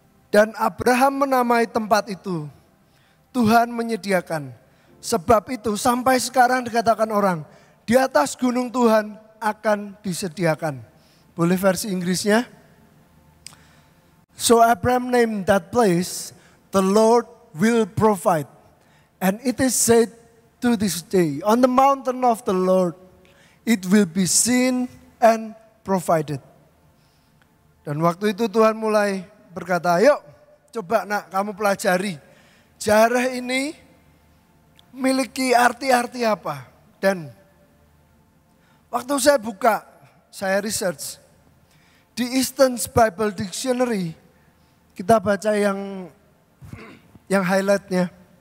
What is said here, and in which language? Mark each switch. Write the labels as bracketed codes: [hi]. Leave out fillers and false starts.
[id] Dan Abraham menamai tempat itu, Tuhan menyediakan. Sebab itu sampai sekarang dikatakan orang, di atas gunung Tuhan akan disediakan. Boleh versi Inggrisnya? [en] So Abraham named that place, the Lord will provide. And it is said to this day, on the mountain of the Lord, it will be seen and provided. [id] Dan waktu itu Tuhan mulai berkata, ayo coba nak kamu pelajari. Jireh ini miliki arti-arti apa. Dan waktu saya buka, saya research. Di Eastern Bible Dictionary, kita baca yang highlightnya.